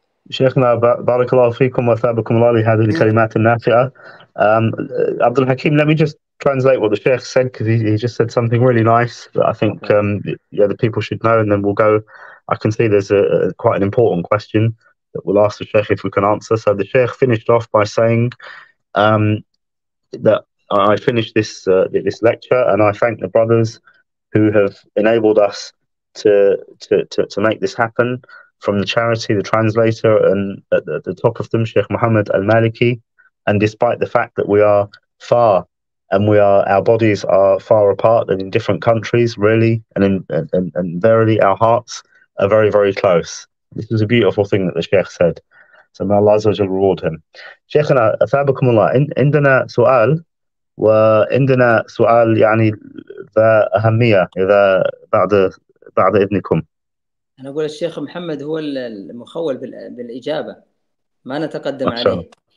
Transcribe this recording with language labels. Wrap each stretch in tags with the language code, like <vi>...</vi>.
<ar>شيخنا بارك الله فيكم وثابكم الله لهذه الكلمات النافعة.</ar> <en>عبد الحكيم, let me just translate what the Sheikh said, because he just said something really nice that I think yeah, the people should know, and then we'll go. I can see there's quite an important question that we'll ask the Sheikh if we can answer. So the Sheikh finished off by saying that I finished this lecture, and I thank the brothers who have enabled us to make this happen, from the charity, the translator, and at the top of them, Sheikh Muhammad Al-Maliki. And despite the fact that we are far, and our bodies are far apart and in different countries, really, and verily our hearts are very, very close. This is a beautiful thing that the Sheikh said. So may Allah Azza wa Jalla reward him.</en> <ar>Sheikhana, أثابكم الله. عندنا سؤال وعندنا سؤال يعني ذا أهمية إذا بعد إذنكم. أنا أقول الشيخ محمد هو المخول بالإجابة. ما نتقدم عليه.</ar>